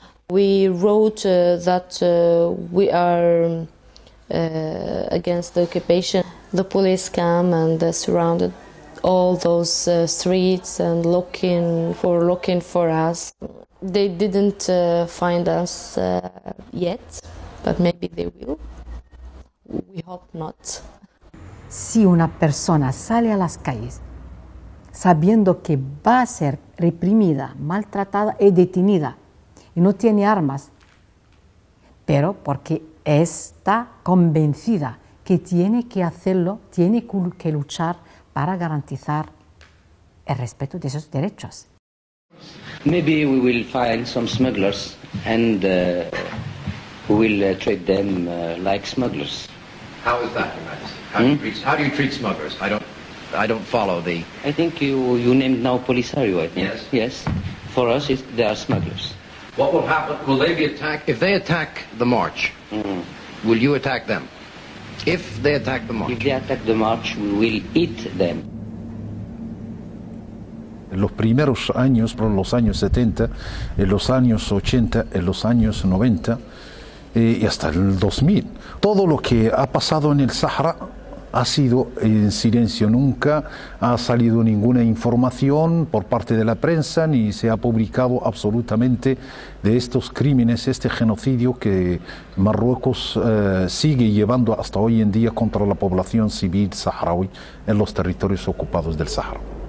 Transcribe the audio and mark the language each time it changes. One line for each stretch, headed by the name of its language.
English: We wrote that we are against the occupation. The police came and surrounded all those streets and looking for us. They didn't find us yet, but maybe they will. We hope not.
Spanish: Si una persona sale a las calles sabiendo que va a ser reprimida, maltratada y detenida, y no tiene armas, pero porque está convencida que tiene que hacerlo, tiene que luchar para garantizar el respeto de esos derechos.
English: Maybe we will find some smugglers and we will treat them like smugglers. How is that, Your Majesty? How do you treat smugglers? I don't follow the. I think you named now Polisario. I think yes. For us, they are smugglers. What will happen? Will they be attacked? If they attack the march, mm-hmm. will you attack them? If they attack the march. If they attack the march, we will eat them.
Spanish: Los primeros años, los años 70, los años 80, los años 90, y hasta el 2000. Todo lo que ha pasado en el Sahara ha sido en silencio. Nunca ha salido ninguna información por parte de la prensa ni se ha publicado absolutamente de estos crímenes, este genocidio que Marruecos sigue llevando hasta hoy en día contra la población civil saharaui en los territorios ocupados del Sahara.